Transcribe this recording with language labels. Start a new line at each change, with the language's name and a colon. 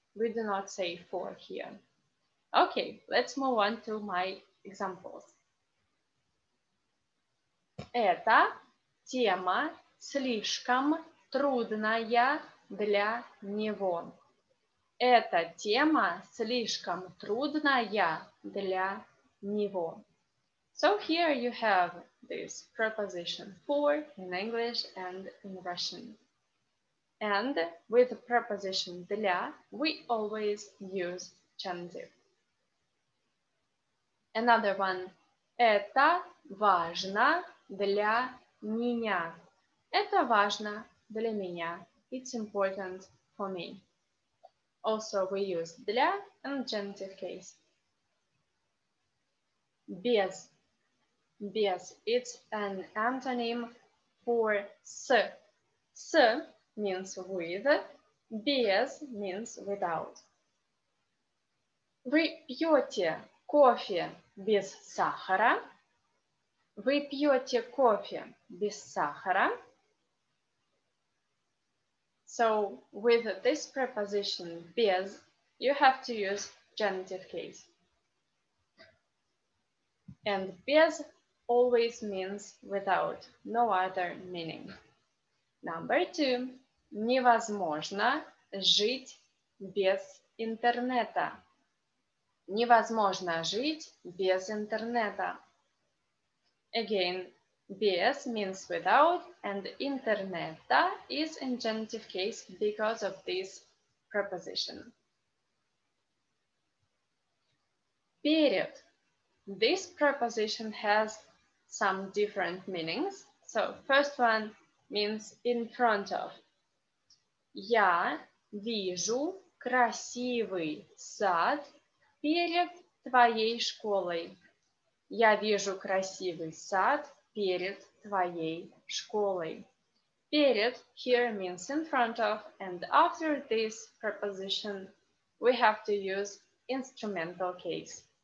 English: We do not say four here. Okay, let's move on to my examples.
Russian: Эта тема слишком трудная для него. Эта тема слишком трудная для него.
English: So here you have this preposition for in English and in Russian. And with the preposition для, we always use genitive. Another one.
Russian: Это важно для меня. Это важно для меня.
English: It's important for me. Also, we use для in genitive case. Без. Без. It's an antonym for с. С means with. Без means without.
Russian: Вы пьете кофе без сахара? Вы пьете кофе без сахара?
English: So, with this preposition без, you have to use genitive case. And без always means without, no other meaning. Number two.
Russian: Невозможно жить без интернета. Невозможно жить без интернета.
English: Again, без means without, and интернета is in genitive case because of this preposition. Перед. This preposition has some different meanings. So, first one means in front of.
Russian: Я вижу красивый сад перед твоей школой. Я вижу красивый сад перед твоей школой.
English: Перед here means in front of, and after this preposition, we have to use instrumental case.